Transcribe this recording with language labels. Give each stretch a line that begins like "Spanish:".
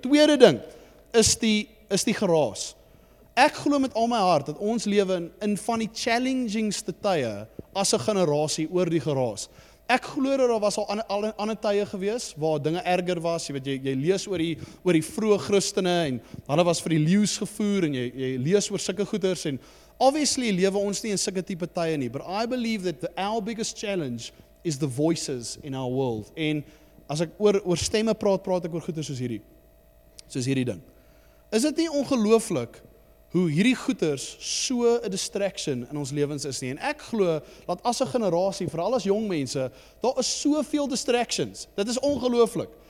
Afrikaans: Tweede ding is die geraas. Ek glo met al my hart dat ons lewe in van die challengingste tye as 'n generasie oor die geraas. Ek glo dat daar was al ander tye gewees waar dinge erger was. Jy weet jy lees oor die vroeë Christene en hulle was vir die leeu's gevoer en jy lees oor sulke goeders en obviously lewe ons nie in sulke tipe tye nie.
English: But I believe that the our biggest challenge is the voices in our world.
Afrikaans: En as ek oor stemme praat ek oor goeders soos hierdie ding. Is dit nie ongelooflik hoe hierdie goeters so 'n distraction in ons lewens is nie. En ek glo dat as 'n generasie, veral as jong mense, daar is soveel distractions. Dit is ongelooflik.